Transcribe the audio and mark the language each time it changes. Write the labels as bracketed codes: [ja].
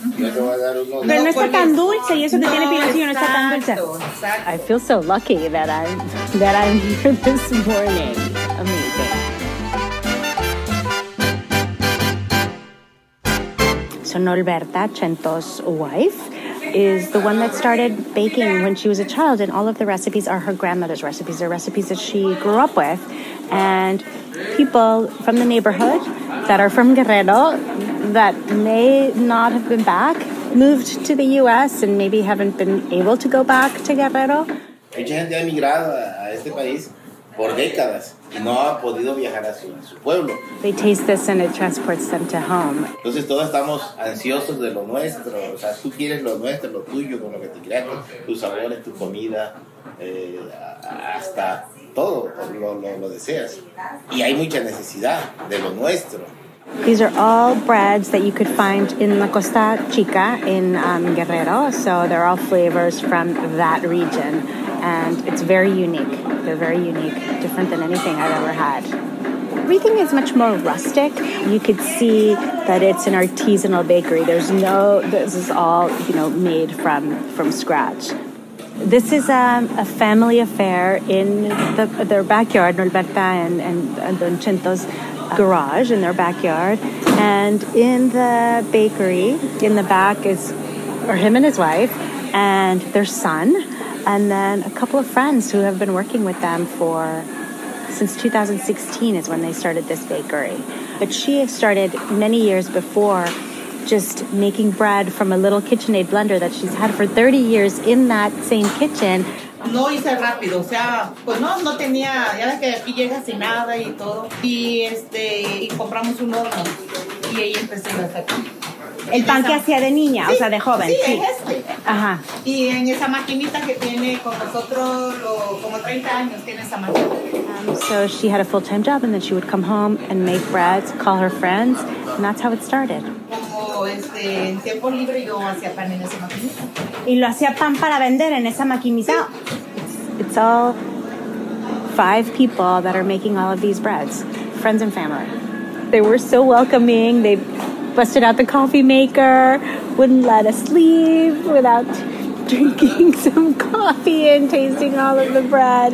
[es] Pero no está tan dulce, y eso que tiene piloncillo no está tan dulce. [en] I feel so lucky that I'm here this morning. Amazing. So Norberta, Chento's wife, is the one that started baking when she was a child, and all of the recipes are her grandmother's recipes. They're recipes that she grew up with, and people from the neighborhood that are from Guerrero that may not have been back, moved to the U.S. and maybe haven't been able to go back to Guerrero. [es] Mucha gente ha emigrado a este país por décadas y no ha podido viajar a su pueblo. [en] They taste this and it transports them to home. [es] Entonces todos estamos ansiosos de lo nuestro. O sea, tú quieres lo nuestro, lo tuyo, con lo que te creaste, tus sabores, tu comida, hasta todo lo deseas. Y hay mucha necesidad de lo nuestro. [en] These are all breads that you could find in La Costa Chica in Guerrero. So they're all flavors from that region. And it's very unique. They're very unique, different than anything I've ever had. Everything is much more rustic. You could see that it's an artisanal bakery. This is all, you know, made from scratch. This is a family affair in their backyard, Norberta and Don Chento's garage in their backyard. And in the bakery, in the back, are him and his wife and their son. And then a couple of friends who have been working with them since 2016 is when they started this bakery. But she has started many years before just making bread from a little KitchenAid blender that she's had for 30 years in that same kitchen. [es] No hice rápido, o sea, pues no tenía, ya ves que aquí llega sin nada y todo. Y compramos un horno y ahí empecé a sacar. El pan que hacía de niña, sí, o sea, de joven. Sí, es este. Ajá. Y en esa maquinita que tiene con nosotros, como 30 años tiene esa maquinita. [en] So she had a full-time job and then she would come home and make breads, call her friends, and that's how it started. [es] Como en tiempo libre yo hacía pan en esa maquinita. Y lo hacía pan para vender en esa maquinita. Sí. [en] It's all five people that are making all of these breads, friends and family. They were so welcoming. They busted out the coffee maker, wouldn't let us leave without drinking some coffee and tasting all of the bread.